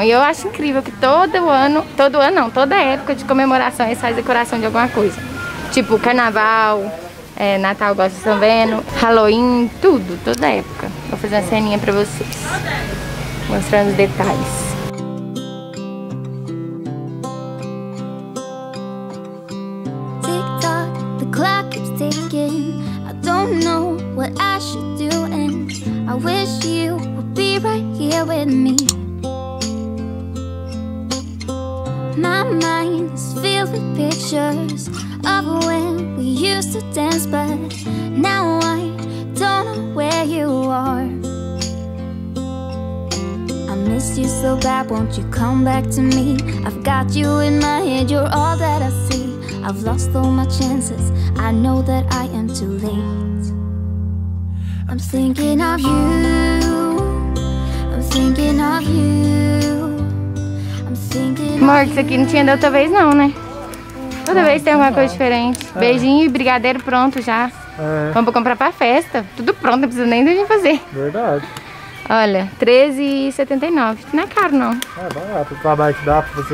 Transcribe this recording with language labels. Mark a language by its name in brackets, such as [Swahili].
[Portuguese] E eu acho incrível que toda época de comemoração, eles fazem decoração de alguma coisa. Tipo, carnaval, é, Natal, igual vocês estão vendo, Halloween, tudo, toda época. Vou fazer uma ceninha pra vocês, mostrando os detalhes. [English] Tick-tock, the clock keeps ticking. I don't know what I should do, and I wish you would be right here with me. My mind is filled with pictures of when we used to dance, but now I don't know where you are. I miss you so bad, won't you come back to me? I've got you in my head, you're all that I see. I've lost all my chances, I know that I am too late. I'm thinking of you, I'm thinking of you. [Portuguese] Amor, isso aqui não tinha da outra vez não, né? Toda vez tem alguma coisa diferente. É. Beijinho e brigadeiro pronto já. É. Vamos comprar pra festa. Tudo pronto, não precisa nem de gente fazer. Verdade. Olha, R$13,79. Não é caro, não. É barato. O trabalho que dá pra você.